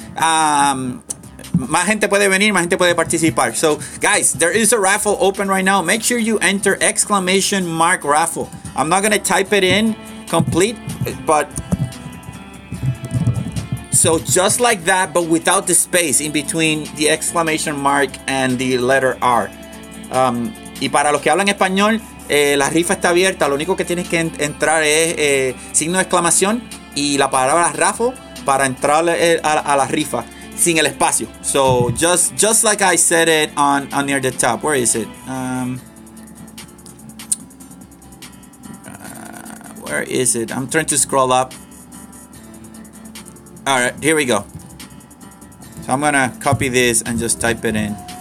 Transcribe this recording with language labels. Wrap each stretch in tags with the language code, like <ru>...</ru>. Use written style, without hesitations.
<es>Más gente puede venir, más gente puede participar.</es> <en>So, guys, there is a raffle open right now. Make sure you enter exclamation mark raffle. I'm not going to type it in complete, but... So just like that, but without the space in between the exclamation mark and the letter R.</en> <es>Y para los que hablan español, la rifa está abierta. Lo único que tienes que entrar es signo de exclamación y la palabra raffle para entrar a la rifa sin el espacio.</es> <en>So just like I said it on near the top. Where is it? Where is it? I'm trying to scroll up. All right, here we go. So I'm gonna copy this and just type it in.</en>